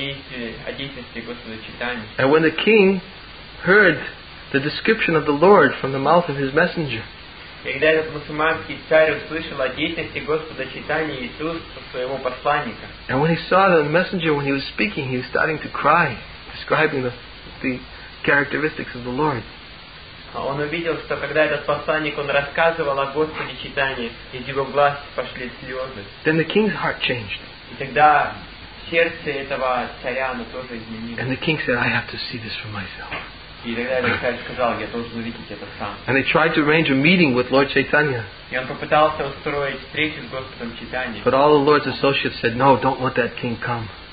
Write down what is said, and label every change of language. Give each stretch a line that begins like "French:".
English: And when the king heard the description of the Lord from the mouth of his messenger, and when he saw the messenger, when he was speaking, he was starting to cry, describing the characteristics of the Lord.
Russian: Он увидел, что когда этот посланник, он рассказывал о Господе Чайтанье, из его глаз пошли слезы.
English: Then the king's heart changed.
Russian: И тогда сердце этого царя, оно тоже изменилось.
English: And the king said, I have to see this for myself.
Russian: И тогда этот царь сказал, я должен увидеть это сам.
English: And they tried to arrange a meeting with Lord Chaitanya.
Russian: И он попытался устроить встречу с Господом Чайтанье.
English: But all the Lord's associates said, no, don't let that king come.